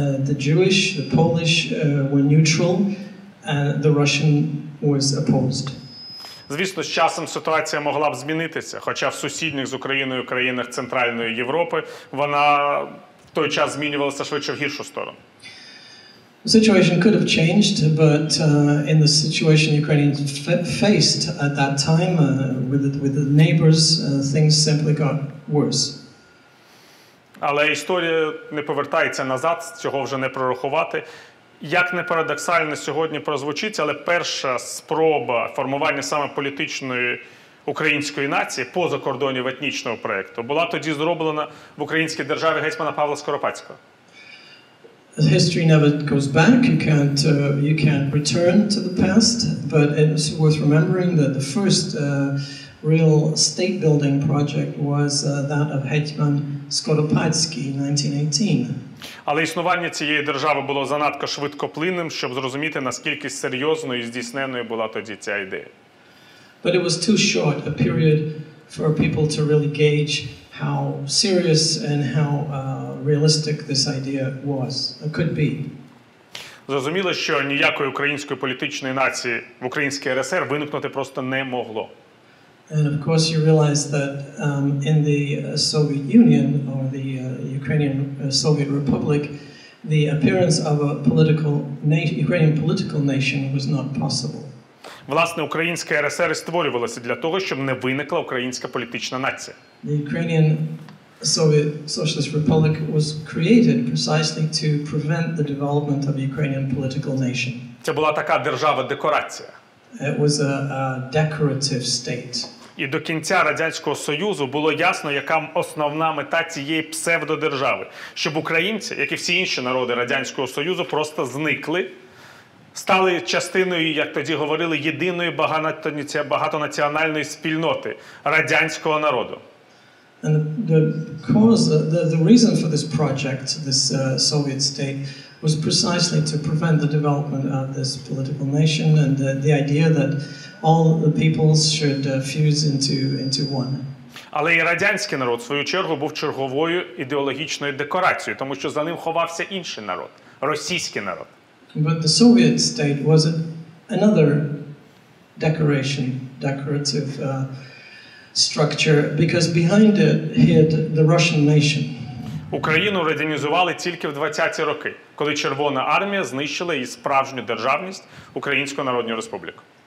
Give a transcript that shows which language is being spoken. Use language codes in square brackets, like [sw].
[en] The Jewish, the Polish were neutral, and the Russian was opposed. [uk] Звісно, з часом ситуація могла б змінитися, хоча в сусідніх з Україною країнах Центральної Європи вона в той час змінювалася швидше в гіршу сторону. [en] The situation could have changed, but in the situation Ukrainians faced at that time with the neighbors, things simply got worse. [uk] Але історія не повертається назад, цього вже не прорахувати. Як не парадоксально сьогодні прозвучить, але перша спроба формування саме політичної української нації поза кордонів етнічного проєкту була тоді зроблена в українській державі гетьмана Павла Скоропадського. [en] History never goes back. You can't return to the past, but it's worth remembering that the first real state building project was that of Hetman Skoropadsky in 1918. [uk] Але існування цієї держави було занадто швидкоплинним, щоб зрозуміти, наскільки серйозною і здійсненою була тоді ця ідея. [en] But it was too short a period for people to really gauge how serious and how realistic this idea was, could be. [uk] Зрозуміло, що ніякої української політичної нації в Українській РСР виникнути просто не могло. [en] And of course you realize that in the Soviet Union or the Ukrainian Soviet Republic, the appearance of a political Ukrainian political nation was not possible. [uk] Власне, Українська РСР створювалася для того, щоб не виникла українська політична нація. [en] The Ukrainian Soviet Socialist Republic was created precisely to prevent the development of a Ukrainian political nation. [uk] Це була така держава-декорація. [en] It was a decorative state. [uk] І до кінця Радянського Союзу було ясно, яка основна мета цієї псевдодержави. Щоб українці, як і всі інші народи Радянського Союзу, просто зникли, стали частиною, як тоді говорили, єдиної багатонаціональної спільноти радянського народу. [en] And the cause, the reason for this project, this Soviet state, was precisely to prevent the development of this political nation and the idea that all the peoples should fuse into one. [uk] Але і радянський народ, в свою чергу, був черговою ідеологічною декорацією, тому що за ним ховався інший народ, російський народ. [en] But the Soviet state was another decorative structure, because behind it hid the Russian nation. [uk] Україну радянізували тільки в 20-ті роки, коли Червона армія знищила її справжню державність Українську Народну Республіку.